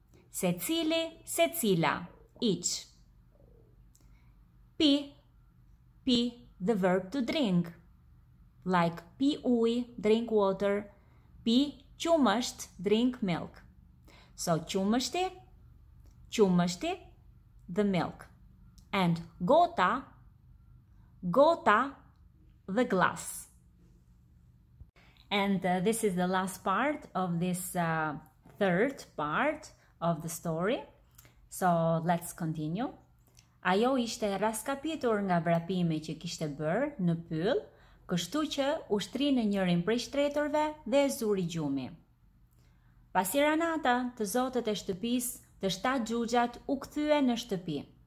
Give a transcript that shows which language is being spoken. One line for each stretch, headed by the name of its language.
English: Secili, secila, each. Pi, pi, the verb to drink, like
Albanian: pi uj,
English: drink water,
Albanian: pi qumësht,
English: drink milk. So, qumështi, qumështi, the milk. And gota, Gota, the glass. And this is the last part of this third part of the story. So let's continue.
Albanian: Ajo ishte raskapitur nga vrapimi që kishte bërë në pyll, kështu që u shtri në njërin prej shtretërve dhe e zuri gjumi. Pasi ranata, të zotët e shtëpisë të shtatë gjuxhat u kthye në shtëpi.